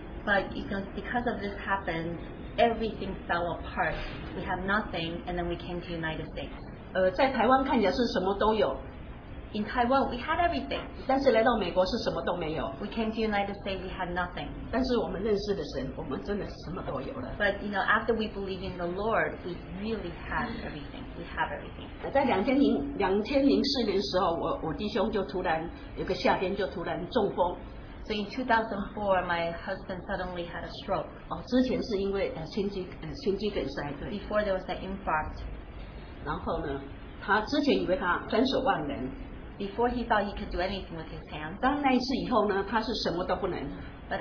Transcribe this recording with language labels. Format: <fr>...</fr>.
<en>But because of this happened, everything fell apart. We have nothing, and then we came to the United States.</en> <zh>在台湾看起来是什么都有。</zh> <en>In Taiwan, we had everything.</en> <zh>但是来到美国是什么都没有。</zh> <en>We came to the United States, we had nothing.</en> <zh>但是我们认识的神，我们真的什么都有了。</zh> <en>But you know, after we believe in the Lord, we really had everything. We have everything.</en> <zh>在2004年的时候，我弟兄就突然有个夏天就突然中风。</zh> <en>So in 2004, my husband suddenly had a stroke.</en> <zh>之前是因为心肌梗塞，对。</zh> <en>Before there was an infarct.</en> <zh>然后呢，他之前以为他专手腕人。</zh> <en>Before he thought he could do anything with his hands.</en> <zh>当那一次以后呢，他是什么都不能。</zh> <en>But</en>